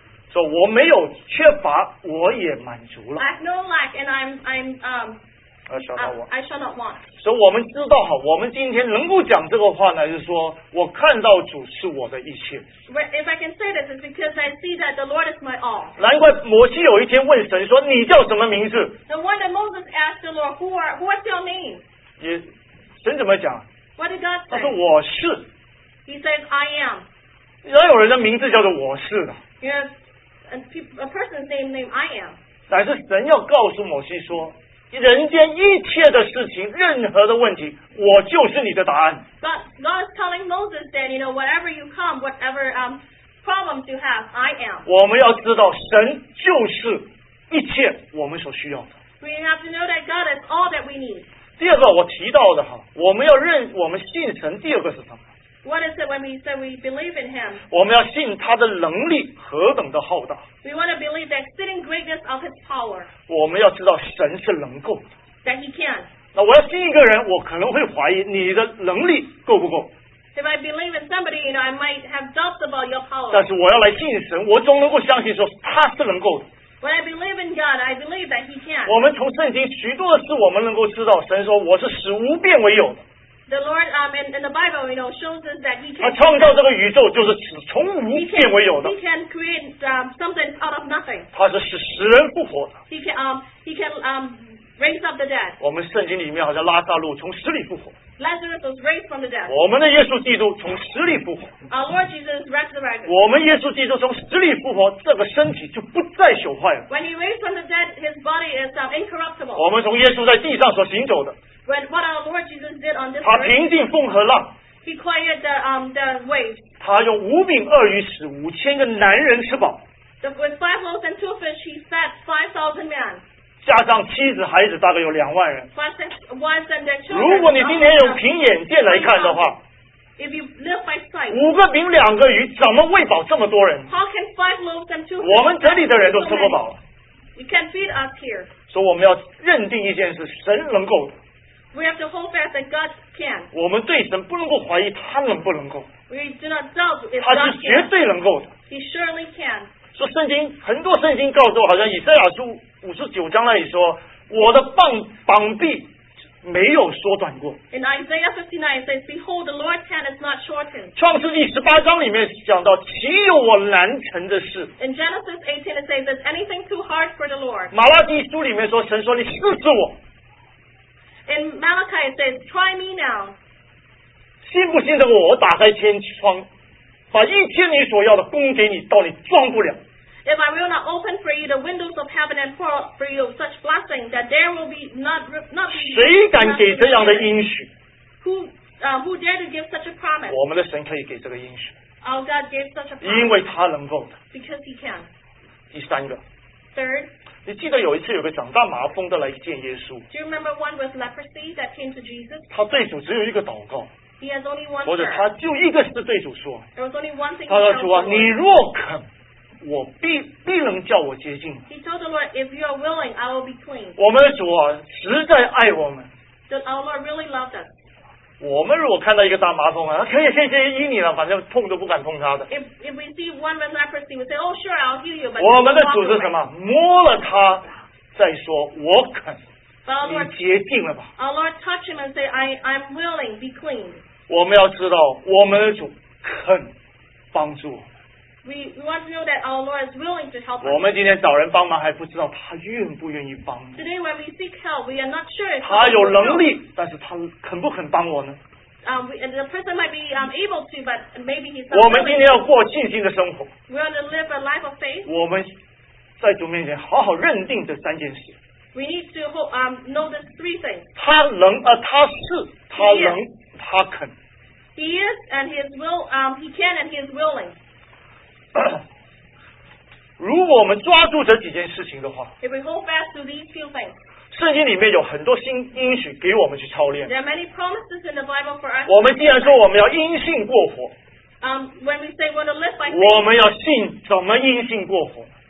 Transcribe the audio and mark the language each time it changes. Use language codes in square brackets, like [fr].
[zh] 所以我没有缺乏，我也满足了。 [en] I have no lack, and I shall not want. [zh] 所以我们知道哈，我们今天能够讲这个话呢，就是说我看到主是我的一切。 [en] If I can say this, it's because I see that the Lord is my all. [zh] 难怪摩西有一天问神说：“你叫什么名字？” [en] The one that Moses asked the Lord, "What's your name?" [zh] 神怎么讲？ [en] What did God say? [zh] 他说：“我是。” [en] He says, "I am." [zh] 哪有人的名字叫做我是的？ [en] Yes, a person's name I am. [zh] 乃是神要告诉摩西说。人间一切的事情，任何的问题，我就是你的答案。 [en] God God is telling Moses that, you know, whatever you come, whatever problems you have, I am. [zh] 我们要知道神就是一切我们所需要的。 [en] We have to know that God is all that we need. [zh] 第二个我提到的哈，我们要认我们信神，第二个是什么？ [en] What is it when we say we believe in him? [zh] 我们要信他的能力何等的浩大。 [en] We want to believe the exceeding greatness of his power. [zh] 我们要知道神是能够的。 [en] That he can. [zh] 那我要信一个人，我可能会怀疑你的能力够不够。 [en] If I believe in somebody, you know, I might have doubts about your power. [zh] 但是我要来信神，我总能够相信说他是能够的。 [en] When I believe in God, I believe that he can. [zh] 我们从圣经许多的事，我们能够知道神说我是使无变为有的。 [en] The Lord, in the Bible, you know, shows us that He can. [zh] 他创造这个宇宙就是使从无变为有的。 [en] He can create something out of nothing. [zh] 他是使死人复活的。 [en] He can raise up the dead. [zh] 我们圣经里面好像拉撒路从死里复活。 [en] Lazarus was raised from the dead. [zh] 我们的耶稣基督从死里复活。 [en] Our Lord Jesus resurrected. [zh] 我们耶稣基督从死里复活，这个身体就不再朽坏了。 [en] When He raised from the dead, His body is incorruptible. [zh] 我们从耶稣在地上所行走的。 [en] What our Lord Jesus did on this [zh] 他平定风和浪 [en] He quieted the waves [zh] 他用五饼二鱼使五千个男人吃饱 [en] With five loaves and two fish he fed 5,000 men [zh] 加上妻子孩子大概有两万人 [en] wives and their children [zh] 如果你今天用凭眼见来看的话 [en] If you live by sight [zh] 五个饼两个鱼怎么喂饱这么多人 [en] How can five loaves and two fish [zh] 我们这里的人都吃不饱 [en] You can feed us here [zh] 所以我们要认定一件事神能够 [en] We have to hold fast that God can. [zh] 我们对神不能够怀疑他能不能够。 [en] We do not doubt if God can. [zh] 他是绝对能够的。 [en] He surely can. [zh] 说圣经很多圣经告诉我，好像以赛亚书五十九章那里说，我的膀臂没有缩短过。 [en] In Isaiah 59 it says, "Behold, the Lord's hand is not shortened." [zh] 创世纪十八章里面讲到，岂有我难成的事 [en] ？In Genesis 18 it says, "Is anything too hard for the Lord?" [zh] 马拉基书里面说，神说你试试我。 [en] In Malachi it says, "Try me now." [zh] 信不信这个？我打开天窗，把一切你所要的供给你，到你装不了。 [en] If I will not open for you the windows of heaven and pour for you such blessing that there will be not. [zh] 谁敢给这样的应许 [en] ？Who dare to give such a promise? [zh] 我们的神可以给这个应许。 [en] Our God gave such a promise. [zh] 因为他能够的。 [en] Because He can. [zh] 第三个。 [en] Third. [zh] 你记得有一次有个长大麻风的来见耶稣。 [en] Do you remember one with leprosy that came to Jesus? [zh] 他对主只有一个祷告。 [en] He has only one. [zh] 或者他就一个事对主说。 [en] There was only one thing. [zh] 他说主啊，你若肯，我必能叫我洁净。 [en] He told the Lord, "If you are willing, I will be clean." [zh] 我们的主啊，实在爱我们。 [en] Does our Lord really love us? [zh] 我们如果看到一个大麻风啊，可以先医你了，反正碰都不敢碰他的。 [en] If we see one with leprosy, we say, "Oh, sure, I'll heal you." But [zh] 我们的主是什么？摸了他，再说我肯，你洁净了吧 [en] ？Our Lord touched him and say, "I'm willing, be clean." [zh] 我们要知道我们的主肯帮助我们。 [en] We want to know that our Lord is willing to help us. [zh] 我们今天找人帮忙还不知道他愿不愿意帮。 [en] Today when we seek help, we are not sure. [zh] 他有能力，但是他肯不肯帮我呢？ [en] The person might be able to, but maybe he's not. [zh] 我们今天要过信心的生活。 [en] We want to live a life of faith. [zh] 我们在主面前好好认定这三件事。 [en] We need to know these three things. [zh] 他能，他是，他能，他肯。 [en] He is and he is will. He can and he is willing. [zh] 如果我们抓住这几件事情的话 [en] If we hold fast to these few things, [zh] 圣经里面有很多新应许给我们去操练 [en] There are many promises in the Bible for us [zh] 我们既然说我们要因信过活 [en] When we say we want to live by faith [zh] 我们要信怎么因信过活